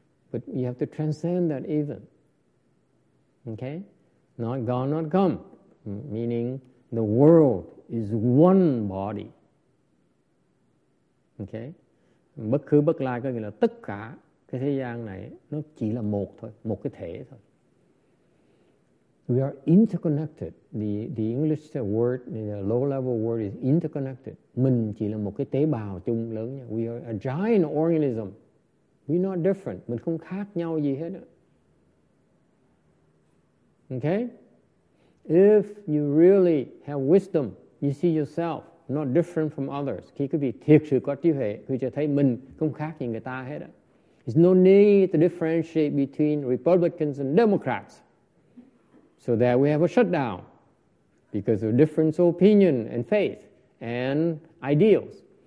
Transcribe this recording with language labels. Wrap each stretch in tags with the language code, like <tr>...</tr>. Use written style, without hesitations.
<en>But you have to transcend that even, okay? Not God, not come, meaning the world is one body, okay?</en> <vi>Bất cứ bất lai có nghĩa là tất cả cái thế gian này nó chỉ là một thôi, một cái thể thôi.</vi> <en>We are interconnected. The English word, the low level word is interconnected.</en> <vi>Mình chỉ là một cái tế bào chung lớn nha.</vi> <en>We are a giant organism. We're not different.</en> <vi>Mình không khác nhau gì hết.</vi> <en>Okay? If you really have wisdom, you see yourself not different from others.</en> <vi>Khi quý vị thiệt sự có trí huệ, quý vị thấy mình không khác gì người ta hết.</vi> <en>There's no need to differentiate between Republicans and Democrats. So that we have a shutdown because of difference of opinion and faith and ideals.</en>